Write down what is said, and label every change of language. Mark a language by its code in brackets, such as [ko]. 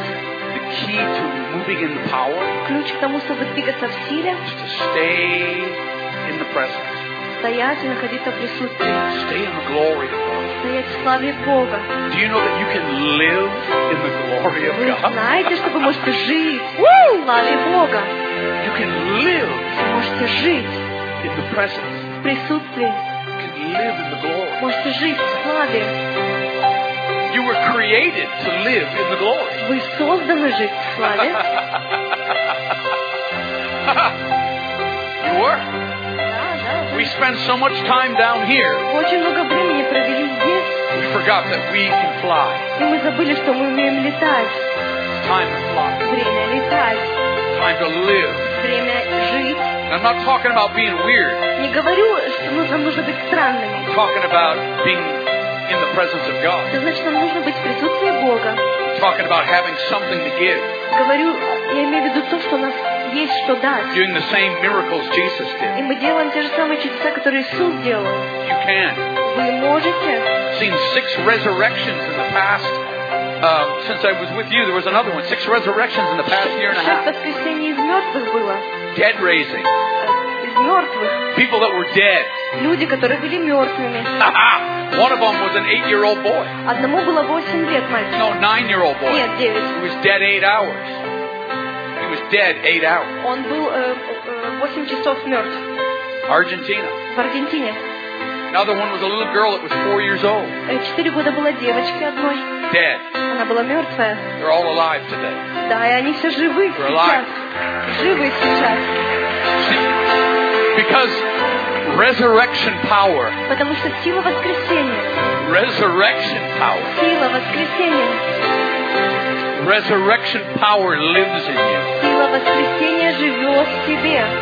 [en] The key to moving in the power. [ru] Ключ к тому, чтобы двигаться в силе. [en] To stay in the presence. [ru] Стоять и находиться в присутствии. [en] Stay in the glory of God. [ru] Стоять в славе Бога. [en] Do you know that you can live in the glory of God? [ru] Вы знаете, что вы можете жить в славе Бога. [en] You can live. [ru] Вы можете жить [en] in the presence. [ru] В присутствии. [en] You can live in the glory. [ru] Можете жить в славе. [en] You were created to live in the glory. [ru] Вы созданы жить в славе. [en] You were. We spend so much time down here. [ru] Очень много времени провели здесь. [en] We forgot that we can fly. [ru] И мы забыли, что мы умеем летать. [en] It's time to fly. [ru] Время летать. [en] Time to live. [ru] Время жить. [en] I'm not talking about being weird. [ru] Не говорю, что нам нужно быть странными. [en] I'm talking about being in the presence of God. [ru] Это значит, нам нужно быть в присутствии Бога. [en] I'm talking about having something to give. [ru] Говорю, я имею в виду то, что у нас есть что дать. [en] Doing the same miracles Jesus did. [ru] И мы делаем те же самые чудеса, которые Иисус делал. [en] You can. [ru] Вы можете. [en] Seen six resurrections in the past. Since I was with you, there was another one. Six resurrections in the past year and a half. [ru] Шесть воскресений из мертвых было. [en] Dead raising. [ru] Из мертвых. [en] People that were dead. [ru] Люди, которые были мертвыми. [en] One of them was an 8-year-old boy. [ru] Одному было 8 лет, мальчик. [en] No, 9-year-old boy. [ru] Нет, 9. [en] He was dead 8 hours. He was dead 8 hours. [ru] Он был 8 часов мертв. [en] Argentina. [ru] В Аргентине. [en] Another one was a little girl that was 4 years old. [ru] 4 года была девочка одной. [en] Dead. [ru] Она была мертвая. [en] They're all alive today. [ru] Да, и они все живы сейчас. [en] They're alive. [ru] Живы сейчас. [en] Because resurrection power. [ru] Потому что сила воскресения. [en] Resurrection power. [ru] Сила воскресения. [en] Resurrection power lives in you. [ru] Сила воскресения живет в тебе.